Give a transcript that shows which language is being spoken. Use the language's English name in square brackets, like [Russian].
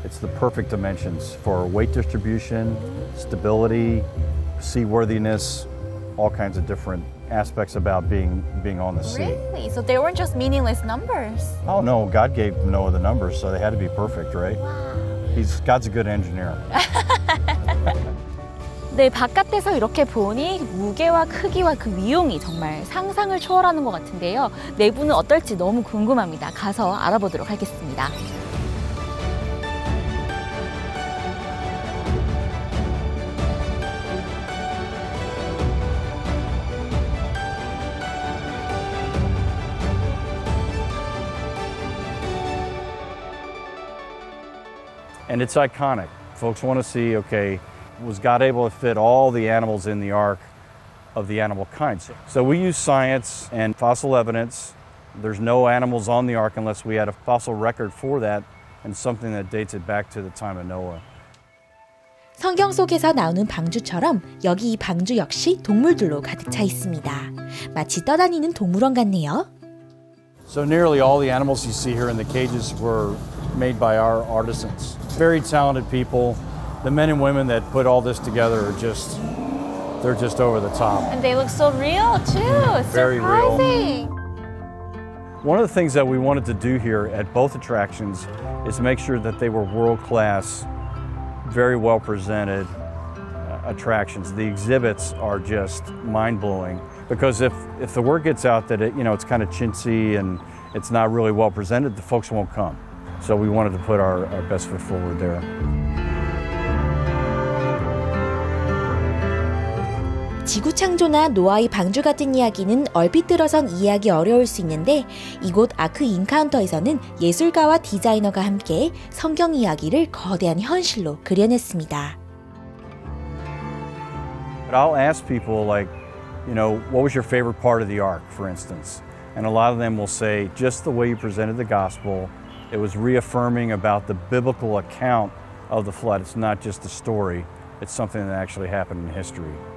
[English] It's the perfect dimensions for weight distribution, stability, seaworthiness, all kinds of different aspects about being on the sea. Really? So they weren't just meaningless numbers? Oh no, God gave Noah the numbers, so they had to be perfect, right? Wow. God's a good engineer. [Korean] 네, 바깥에서 이렇게 보니 무게와 크기와 그 위용이 정말 상상을 초월하는 것 같은데요. 내부는 어떨지 너무 궁금합니다. 가서 알아보도록 하겠습니다. [English] And it's iconic. Folks want to see, okay, was God able to fit all the animals in the ark of the animal kind? So we use science and fossil evidence. There's no animals on the ark unless we had a fossil record for that and something that dates it back to the time of Noah. [Korean] 성경 속에서 나오는 방주처럼 여기 이 방주 역시 동물들로 가득 차 있습니다. 마치 떠다니는 동물원 같네요. [English] So nearly all the animals you see here in the cages were made by our artisans. Very talented people. The men and women that put all this together are just, they're just over the top. And they look so real too. Very real. Surprising. One of the things that we wanted to do here at both attractions is make sure that they were world-class, very well-presented attractions. The exhibits are just mind-blowing because if the word gets out that it's kind of chintzy and it's not really well-presented, the folks won't come. So we wanted to put our best foot forward there. [Korean] 지구 창조나 노아의 방주 같은 이야기는 얼핏 들어선 이해하기 어려울 수 있는데 이곳 아크 인카운터에서는 예술가와 디자이너가 함께 성경 이야기를 거대한 현실로 그려냈습니다. [English] But I'll ask people like, you know, what was your favorite part of the ark, for instance? And a lot of them will say just the way you presented the gospel. It was reaffirming about the biblical account of the flood. It's not just a story. It's something that actually happened in history.